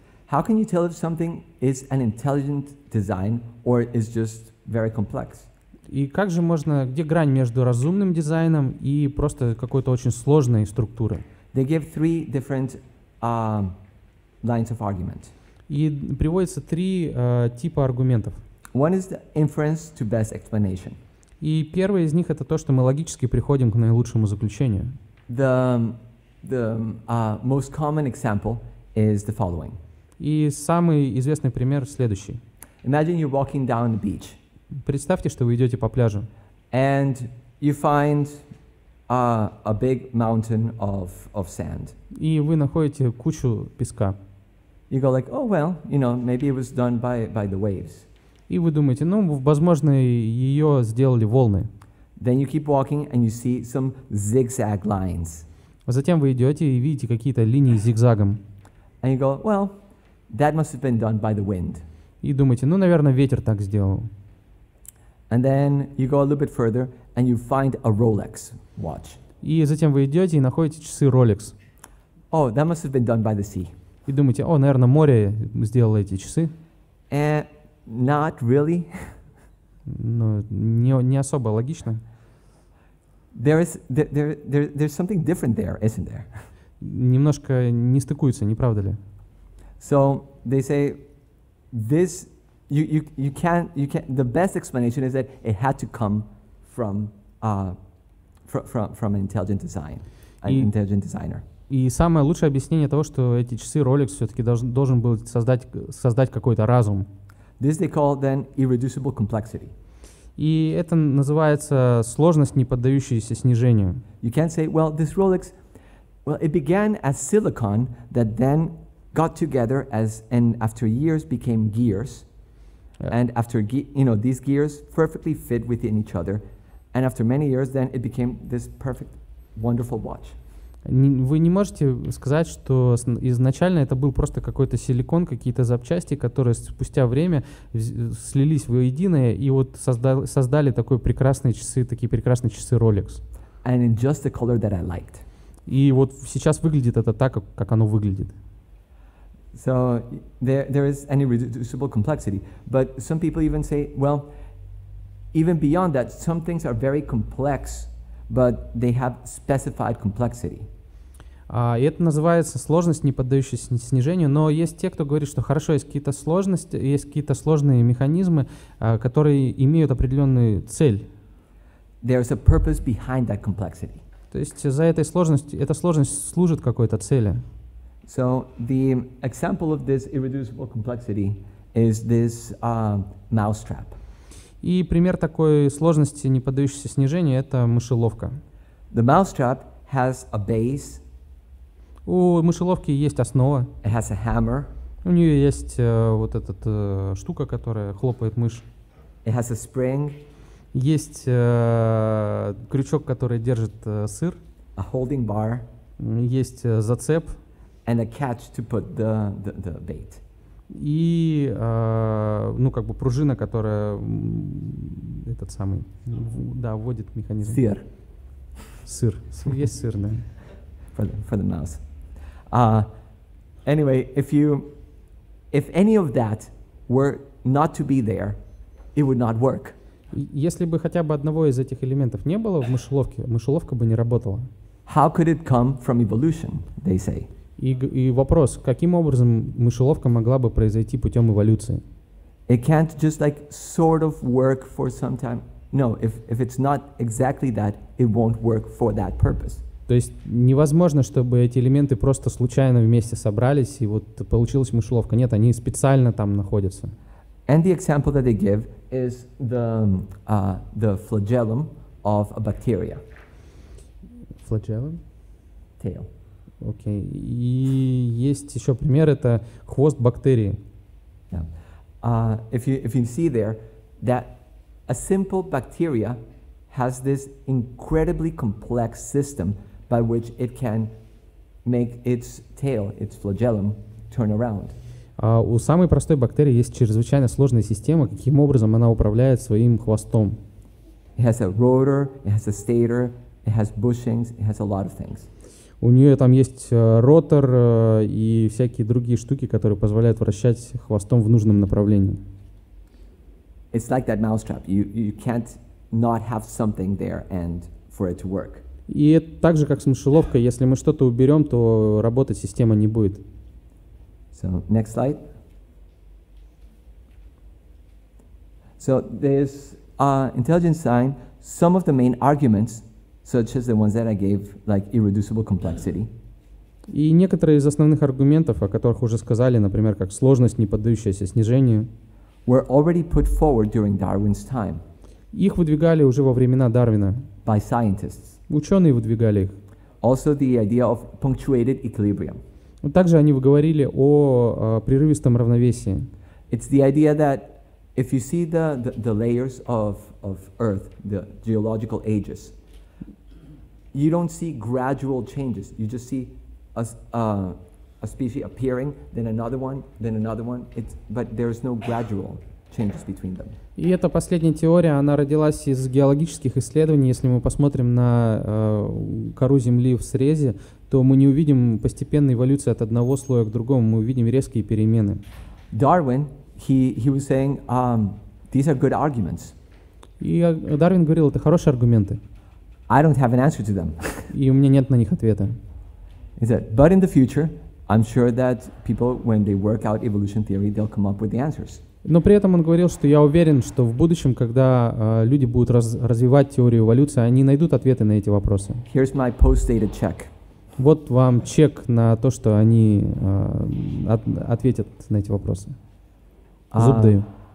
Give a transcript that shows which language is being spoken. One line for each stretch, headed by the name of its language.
English: How can you tell if something is an intelligent design or is just very complex?
Russian: И как же можно, где грань между разумным дизайном и просто какой-то очень сложной структурой?
English: They give three different lines of argument.
Russian: И приводятся три типа аргументов.
English: One is the inference to best explanation.
Russian: И первый из них — это то, что мы логически приходим к наилучшему заключению.
English: The most common example is the following.
Russian: И самый известный пример следующий.
English: Imagine you're walking down the beach.
Russian: Представьте, что вы идете по пляжу.
English: And you find a big mountain of sand.
Russian: И вы находите кучу песка.
English: You go like, oh well, you know, maybe it was done by the waves.
Russian: И вы думаете, ну, возможно, ее сделали волны.
English: Then you keep walking and you see some zigzag lines.
Russian: Затем вы идете и видите какие-то линии зигзагом.
English: And you go, well, that must have been done by the wind.
Russian: И думаете, ну, наверное, ветер так сделал.
English: And then you go a little bit further and you find a Rolex watch.
Russian: И затем вы идете и находите часы Rolex.
English: Oh, that must have been done by the sea.
Russian: И думаете, о, наверное, море сделало эти часы.
English: Not really.
Russian: Но не особо логично.
English: There's something different there, isn't there?
Russian: Немножко не стыкуется, не правда ли?
English: So they say this you can't the best explanation is that it had to come from an intelligent design, an intelligent designer.
Russian: И самое лучшее объяснение того, что эти часы Rolex все-таки должен был создать какой-то разум.
English: This they call then irreducible complexity.
Russian: И это называется сложность, не поддающаяся снижению.
English: You can't say, well, this Rolex, well, it began as silicon that then got together as, and after years became gears. Yeah. And after, you know, these gears perfectly fit within each other. And after many years, then it became this perfect, wonderful watch.
Russian: Вы не можете сказать, что изначально это был просто какой-то силикон, какие-то запчасти, которые спустя время слились воедино и вот создали такие прекрасные часы, Rolex.
English: And in just the color that I liked.
Russian: И вот сейчас выглядит это так, как оно выглядит.
English: So there is an irreducible complexity, but some people even say, well, even beyond that, some things are very complex, but they have specified complexity.
Russian: И это называется сложность, не поддающаяся снижению. Но есть те, кто говорит, что хорошо, есть какие-то сложности, есть какие-то сложные механизмы, которые имеют определенную цель.
English: There is a purpose behind that complexity.
Russian: То есть за этой сложностью, эта сложность служит какой-то цели.
English: So the example of this irreducible complexity is this mousetrap.
Russian: И пример такой сложности, не поддающейся снижению, это мышеловка.
English: The mousetrap has a base.
Russian: У мышеловки есть основа.
English: It has a hammer.
Russian: У нее есть вот эта штука, которая хлопает мышь.
English: It has a spring.
Russian: Есть крючок, который держит сыр.
English: A holding bar.
Russian: Есть зацеп.
English: And a catch to put the bait.
Russian: И, ну, как бы пружина, которая этот самый, да, вводит механизм. Сыр. Сыр. Есть сыр, да.
English: For the mouse. Anyway, if any of that were not to be there, it would not work.
Russian: Если бы хотя бы одного из этих элементов не было в мышеловке, мышеловка бы не работала.
English: How could it come from evolution, they say?
Russian: И вопрос, каким образом мышеловка могла бы произойти путем эволюции?
English: It can't just like sort of work for some time. No, if it's not exactly that, it won't work for that purpose.
Russian: То есть невозможно, чтобы эти элементы просто случайно вместе собрались и вот получилась мышеловка. Нет, они специально там находятся.
English: And the example that they give is the flagellum of a bacteria. Flagellum? Tail.
Russian: Окей. И есть еще пример, это хвост бактерии.
English: Yeah. If you see there, that a simple bacteria has this incredibly complex system by which it can make its tail, its flagellum, turn around.
Russian: У самой простой бактерии есть чрезвычайно сложная система, каким образом она управляет своим хвостом.
English: It has a rotor, it has a stator, it has bushings, it has a lot of things.
Russian: У нее там есть ротор и всякие другие штуки, которые позволяют вращать хвостом в нужном направлении.
English: It's like that mousetrap. You can't not have something there and for it to work.
Russian: И это так же, как с мышеловкой. Если мы что-то уберем, то работать система не будет.
English: So, next slide. So, this intelligent design, some of the main arguments, such as the ones that I gave, like irreducible complexity.
Russian: И некоторые из основных аргументов, о которых уже сказали, например, как сложность, не поддающаяся снижению,
English: were already put forward during Darwin's time.
Russian: Их выдвигали уже во времена Дарвина.
English: By scientists.
Russian: Ученые выдвигали их.
English: Also the idea of punctuated equilibrium.
Russian: Также они говорили о прерывистом равновесии.
English: It's the idea that if you see the layers of Earth, the geological ages, you don't see gradual changes. You just see a species appearing, then another one, but there is no gradual changes between them.
Russian: И эта последняя теория, она родилась из геологических исследований. Если мы посмотрим на кору Земли в срезе, то мы не увидим постепенной эволюции от одного слоя к другому, мы увидим резкие перемены.
English: Darwin, he was saying, these are good arguments.
Russian: И Дарвин говорил, это хорошие аргументы.
English: I don't have an answer to them.
Russian: И у меня нет на них ответа.
English: He said, but in the future, I'm sure that people, when they work out evolution theory, they'll come up with the answers.
Russian: Но при этом он говорил, что я уверен, что в будущем, когда люди будут развивать теорию эволюции, они найдут ответы на эти вопросы.
English: Here's my post-dated check.
Russian: Вот вам чек на то, что они ответят на эти вопросы. Зуб даю.